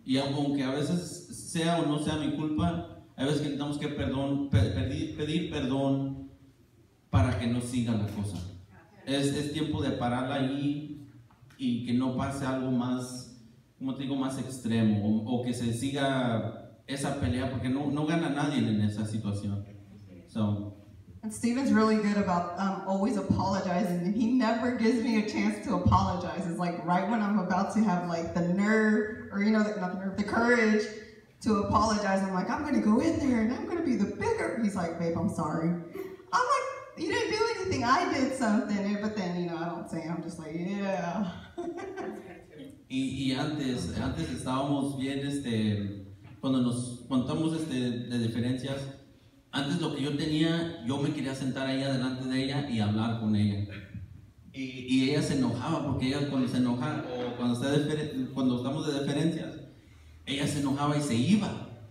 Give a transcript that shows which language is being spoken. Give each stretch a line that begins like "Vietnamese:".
Spanish: Y aunque a veces sea o no sea mi culpa, hay veces que necesitamos que pedir perdón para que no siga la cosa. Es tiempo de pararla ahí y que no pase algo más, como te digo, más extremo o que se siga esa pelea porque no gana nadie en esa situación.
English: So. And Steven's really good about always apologizing, and he never gives me a chance to apologize. It's like right when I'm about to have like the nerve, or the courage to apologize, I'm like, I'm going to go in there and I'm going to be the bigger. He's like, babe, I'm sorry. I'm like, you didn't do anything. I did something, but then I don't say. I'm just like, yeah.
Spanish: Y antes estábamos bien cuando nos contamos de diferencias. Antes lo que yo tenía, yo me quería sentar ahí delante de ella y hablar con ella. Y ella se enojaba porque ella cuando se enoja o cuando estamos de diferencias, ella se enojaba y se iba.